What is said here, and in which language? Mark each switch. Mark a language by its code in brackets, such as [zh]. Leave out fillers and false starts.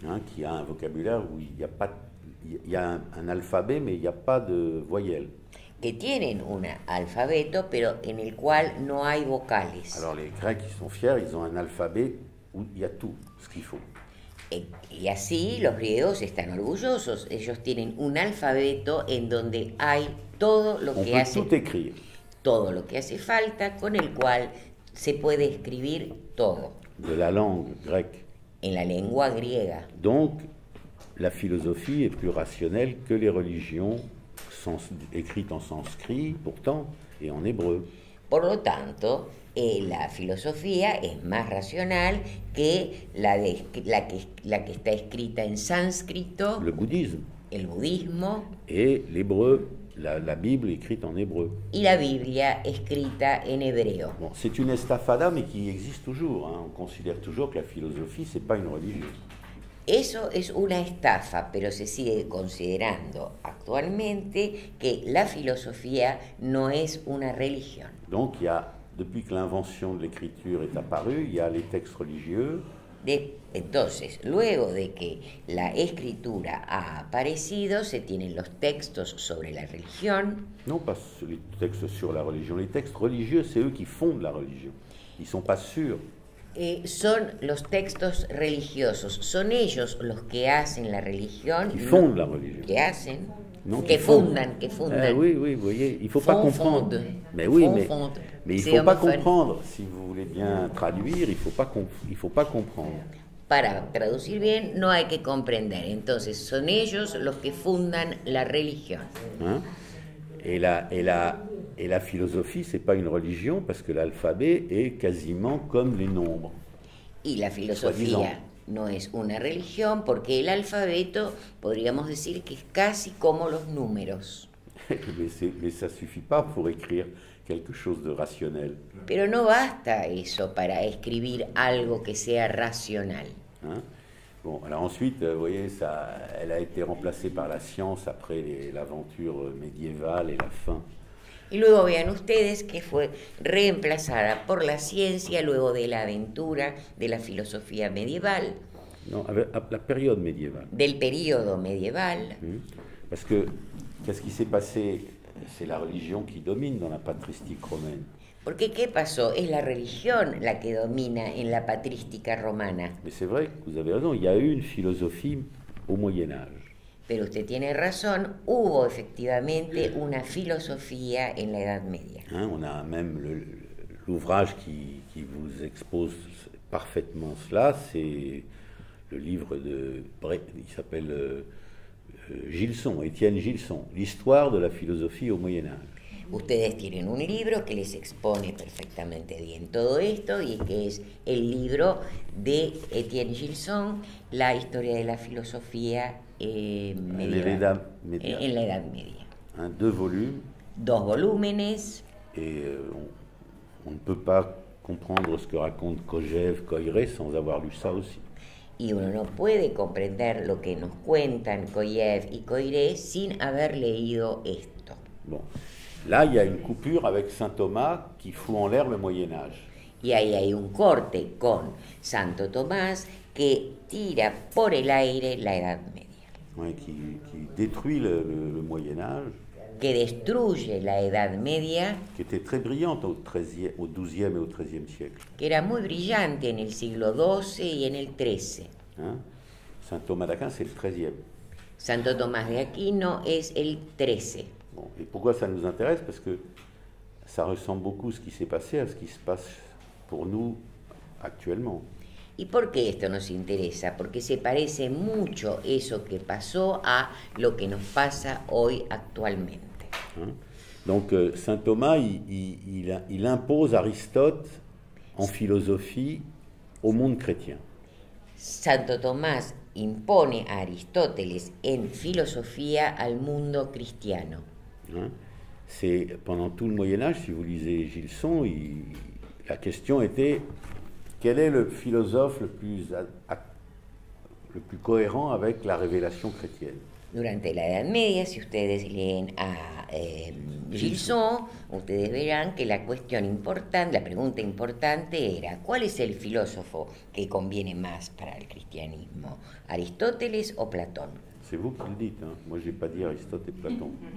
[fr] Qui a un vocabulaire où il y a un alphabet, mais il n'y a pas de voyelles. [es] Que tienen un alfabeto, pero en el cual no hay vocales. [fr] Alors les Grecs, ils sont fiers, ils ont un alphabet où il y a tout ce qu'il faut. [es] Y así los griegos están orgullosos. Ellos tienen un alfabeto en donde hay todo lo [fr] On que peut [es] hacen. [fr] Tout écrire. [es] Todo lo que hace falta, con el cual se puede escribir todo. [fr] De la langue grecque. [es] En la lengua griega. [fr] Donc, la philosophie est plus rationnelle que les religions écrites en sanskrit, pourtant, et en hébreu. [es] Por lo tanto, la filosofía es más racional que la que está escrita en sánscrito. [fr] Le bouddhisme. [es] El budismo. [fr] Et l'hébreu. La Bible écrite en hébreu. [es] Y la Biblia escrita en hebreo. [fr] Bon, c'est une estafada, mais qui existe toujours. On considère toujours que la philosophie, c'est pas une religion. [es] Eso es una estafa, pero se sigue considerando actualmente que la filosofía no es una religión. [fr] Donc il y a, depuis que l'invention de l'écriture est apparue, il y a les textes religieux. [es] Entonces, luego de que la escritura ha aparecido, se tienen los textos sobre la religión. [fr] Non, pas les textes sur la religion. Les textes religieux, c'est eux qui fondent la religion. Ils sont pas sûrs. [es] Son los textos religiosos, son ellos los que hacen la religión. [fr] Qui fondent la religion. [es] Que hacen. [fr] Non, que fondent. [es] Fondan, que fondan. [fr] Oui, oui, vous voyez, il ne faut pas comprendre. Mais oui, mais il ne faut pas comprendre, si vous voulez bien traduire, il ne faut, faut pas comprendre. [es] Para traducir bien, no hay que comprender. Entonces, son ellos los que fundan la religión. [fr] Hein? Et la philosophie, ce n'est pas une religion, parce que l'alphabet est quasiment comme les nombres. Et la philosophie [es] no es una religión porque el alfabeto podríamos decir que es casi como los números. [fr] Mais ça suffit pas pour écrire quelque chose de rationnel. [es] Pero no basta eso para escribir algo que sea racional. [fr] Hein? Bon, alors ensuite, vous voyez, ça, elle a été remplacée par la science après l'aventure médiévale et la fin. [es] Y luego vean ustedes que fue reemplazada por la ciencia luego de la aventura de la filosofía medieval. No, a ver, [fr] la période médiévale. [es] Del periodo medieval. Mm. [fr] Parce que, qu'est-ce qui s'est passé? C'est la religion qui domine dans la patristique romaine. [es] Porque, ¿qué pasó? Es la religión la que domina en la patrística romana. [fr] Mais c'est vrai, vous avez raison, il y a eu une philosophie au Moyen-Âge. [es] Pero usted tiene razón, hubo efectivamente una filosofía en la Edad Media. [fr] Hein, on a même l'ouvrage qui vous expose parfaitement cela, c'est le livre de il s'appelle Gilson, Étienne Gilson, l'histoire de la philosophie au Moyen Âge. [es] Ustedes tienen un libro que les expone perfectamente bien todo esto y que es el libro de Étienne Gilson, La historia de la filosofía en la Edad Media. [fr] Hein, deux volumes. [es] Dos volúmenes. [fr] Et on ne peut pas comprendre ce que raconte Kojève, Coiré sans avoir lu ça aussi. [es] Y uno no puede comprender lo que nos cuentan Kojève y Coiré sin haber leído esto. [fr] Bon. Là, il y a une coupure avec Saint Thomas qui fout en l'air le Moyen Âge. [es] Y ahí hay un corte con Santo Tomás que tira por el aire la Edad Media. [fr] Oui, qui détruit le Moyen Âge. [es] Que destruye la Edad Media. [fr] Qui était très brillante au XIIe et au XIIIe siècle. [es] Que era muy brillante en el siglo XII y en el XIII. [fr] Hein? Saint Thomas d'Aquin, c'est le XIIIe. [es] Santo Tomás de Aquino es el XIII. [fr] Bon, et pourquoi ça nous intéresse? Parce que ça ressemble beaucoup ce qui s'est passé à ce qui se passe pour nous actuellement. Et pourquoi ça nous intéresse? Parce que [es] se parece mucho eso que pasó a lo que nos pasa hoy actualmente. [fr] Hein? Donc Saint Thomas, il impose Aristote en philosophie au monde chrétien. [es] Santo Tomás impone a Aristóteles en filosofía al mundo cristiano. [fr] Hein? C'est pendant tout le Moyen Âge, si vous lisez Gilson, la question était quel est le philosophe le plus cohérent avec la révélation chrétienne. [es] Durante la Edad Media, si ustedes leen a Gilson, ustedes verán que la cuestión importante, la pregunta importante era ¿cuál es el filósofo que conviene más para el cristianismo, Aristóteles o Platón? [fr] C'est vous qui le dites, hein. Moi j'ai pas dit Aristote et Platon.